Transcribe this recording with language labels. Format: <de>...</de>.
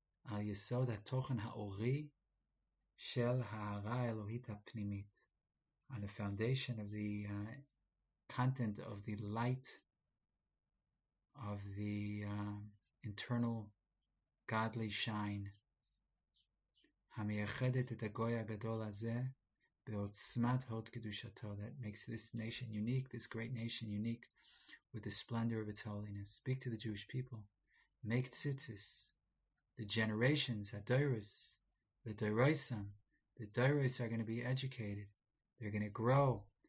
<he>Al yisod ha-tochen ha-ori shel ha-ara Elohit ha-pnimit.</he> <en>On the foundation of the content of the light of the internal godly shine.</en> <he>המייחדת את הגוי הגדול הזה בעוצמת הוד קדושתו.</he> <en>That makes this nation unique, this great nation unique, with the splendor of its holiness. Speak to the Jewish people. Make tzitzis. The generations, הדורות, the דורות, the דורות are going to be educated. They're going to grow.</en>